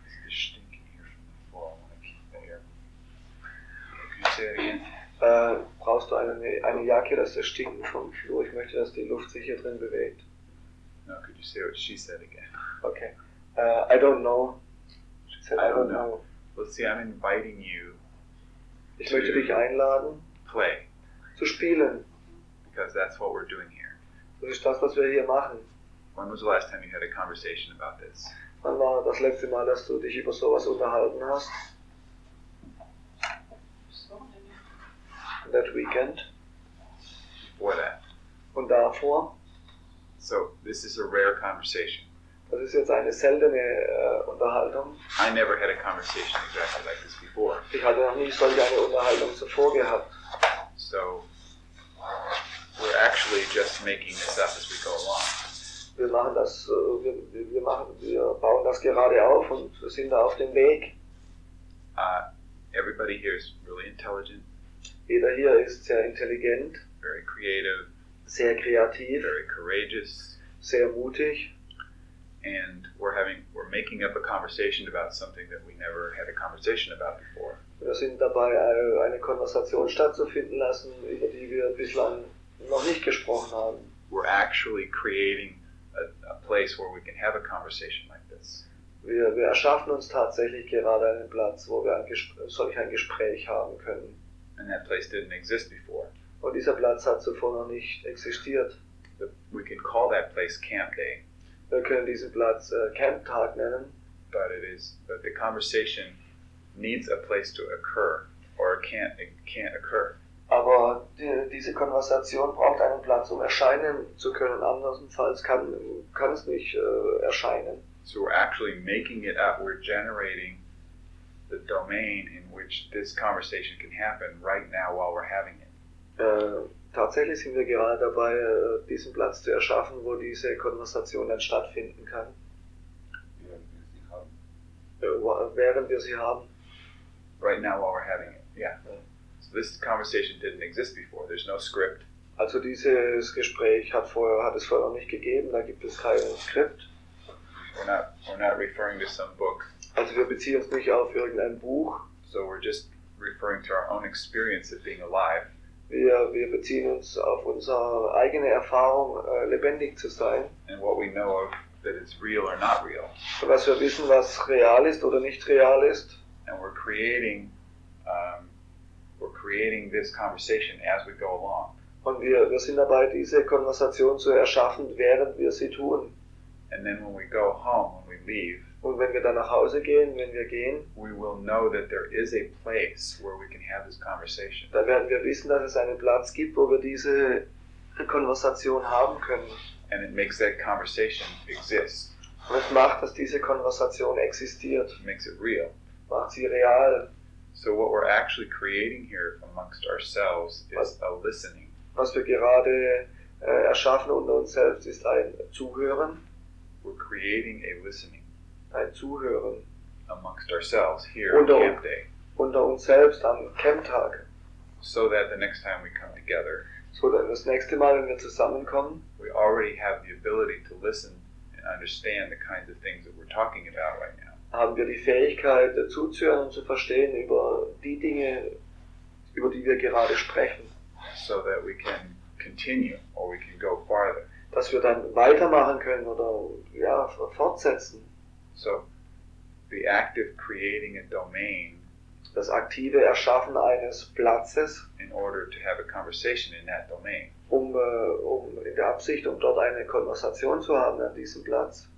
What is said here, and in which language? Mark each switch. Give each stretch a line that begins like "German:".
English: It's stinking here from the floor. I want to keep the air. Can you say it again?
German: Brauchst du eine Jacke, dass das stinken vom Flur? Ich möchte, dass die Luft sich hier drin bewegt.
English: No, could you say what she said again? Okay. I don't know. I don't know. Well, see, I'm inviting you.
German: Ich möchte dich einladen.
English: Play.
German: Zu spielen.
English: Because that's what we're doing here.
German: Das ist das, was wir hier machen.
English: When was the last time you had a conversation about this?
German: Wann war das letzte Mal, dass du dich über sowas unterhalten hast?
English: That weekend. Before that.
German: Und davor.
English: So, this is a rare conversation.
German: Das ist jetzt eine seltene Unterhaltung.
English: I never had a conversation exactly like this before.
German: Ich hatte noch nie solch eine Unterhaltung zuvor gehabt.
English: So, we're actually just making this up as we go along.
German: Wir machen das, wir bauen das gerade auf und wir sind da auf dem Weg.
English: Everybody here is really intelligent.
German: Jeder hier ist sehr intelligent.
English: Very creative.
German: Sehr kreativ.
English: Very courageous.
German: sehr mutig.
English: And we're making up a conversation about something that we never had a conversation about before.
German: Wir sind dabei, eine Konversation stattzufinden lassen, über die wir bislang noch nicht gesprochen haben.
English: We're actually creating a place where we can have a conversation like this.
German: Wir erschaffen uns tatsächlich gerade einen Platz, wo wir solch ein Gespräch haben können.
English: And that place didn't exist before.
German: Und dieser Platz hat zuvor noch nicht existiert.
English: We can call that place Camp Day.
German: Wir können diesen Platz Camp Tag nennen.
English: But it is, but the conversation needs a place to occur, or it can't occur.
German: Aber diese Konversation braucht einen Platz, um erscheinen zu können. Andernfalls kann es nicht erscheinen.
English: So we're actually making it up. We're generating the domain in which this conversation can happen right now while we're having it.
German: Tatsächlich sind wir gerade dabei, diesen Platz zu erschaffen, wo diese Konversation dann stattfinden kann. Während wir sie haben.
English: Right now while we're having it, yeah. So this conversation didn't exist before. There's no script.
German: Also dieses Gespräch hat es vorher noch nicht gegeben. Da gibt es kein Skript.
English: We're not referring to some book.
German: Also wir beziehen uns nicht auf irgendein Buch.
English: So we're just referring to our own experience of being alive.
German: Wir beziehen uns auf unsere eigene Erfahrung, lebendig zu sein.
English: And what we know of that is real or not real.
German: Was wir wissen, was real ist oder nicht real ist.
English: And we're creating this conversation as we go along.
German: Und wir sind dabei, diese Konversation zu erschaffen, während wir sie tun.
English: And then when we go home, when we leave,
German: und wenn wir dann nach Hause gehen, wenn wir gehen,
English: we will know that there is a place where we can have this conversation.
German: Da werden wir wissen, dass es einen Platz gibt, wo wir diese Konversation haben können.
English: And it makes that conversation exist.
German: Und es macht, dass diese Konversation existiert.
English: It makes it real.
German: Macht sie real.
English: So what we're actually creating here amongst ourselves is a listening.
German: Was wir gerade erschaffen unter uns selbst, ist ein Zuhören.
English: We're creating a listening.
German: Ein Zuhören.
English: Amongst ourselves here on Camp Day.
German: Unter uns selbst am Camptag.
English: So that the next time we come together. So that
German: das nächste Mal, wenn wir zusammenkommen.
English: We already have the ability to listen and understand the kinds of things that we're talking about right now.
German: Haben wir die Fähigkeit zuzuhören und zu verstehen über die Dinge, über die wir gerade sprechen.
English: So that we can continue or we can go farther.
German: Dass wir dann weitermachen können oder ja, fortsetzen.
English: So, the act of creating a domain,
German: das aktive Erschaffen eines Platzes,
English: in order to have a conversation in that domain,
German: um in der Absicht, um dort eine Konversation zu haben an diesem Platz,